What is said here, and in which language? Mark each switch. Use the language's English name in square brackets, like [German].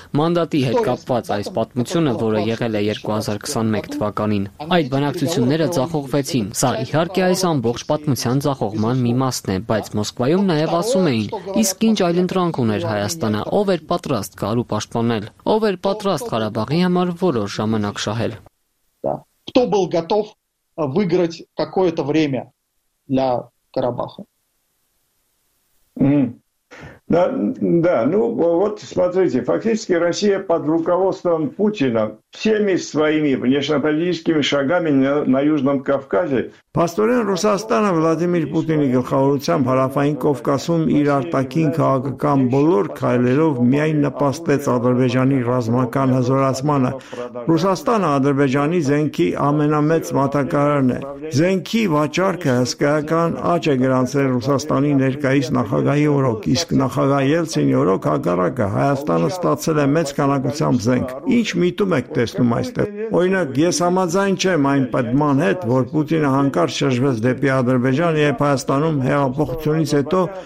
[Armenian] Մանդատի հետ կապված այս պատմությունը, որը եղել է 2021 թվականին, այդ բանակցությունները ձախողվեցին։ Սա իհարկե այս ամբողջ պատմության ձախողման մի մասն է, բայց Մոսկվայում նաև ասում էին, իսկ ինչ այլ ընտրանք ուներ Հայաստանը, ով էր պատրաստ գալ ու պաշտպանել, ով էր պատրաստ Ղարաբաղի համար որոշ ժամանակ շահել։ [Russian] Кто был готов выиграть какое-то время для Карабаха? Да, ну вот смотрите, фактически Россия под руководством Путина всеми своими внешнеполитическими шагами на Южном Кавказе. [Armenian] Պաստորեն Ռուսաստանը Վլադիմիր Պուտինի գլխավորությամբ Հարավային Կովկասում իր արտաքին քաղաքական բոլոր քայլերով միայն նպաստեց Ադրբեջանի ռազմական հզորացմանը։ Ռուսաստանը Ադրբեջանի զենքի ամենամեծ մատակարարն է։ Զենքի վաճառքը հսկայական աճ է գրանցել Ռուսաստանի ներկայիս նախագահի օրոք, իսկ նախագահ Ելցինի օրոք հակառակը Հայաստանը ստացել է մեծ քանակությամբ զենք։ Ինչ միտում եք տեսնում այստեղ։ Օրինակ, ես համաձայն չեմ այն պատման հետ, որ Պուտինը հանկարծ շրջվեց դեպի Ադրբեջան, երբ Հայաստանում հեղափոխությունից հետո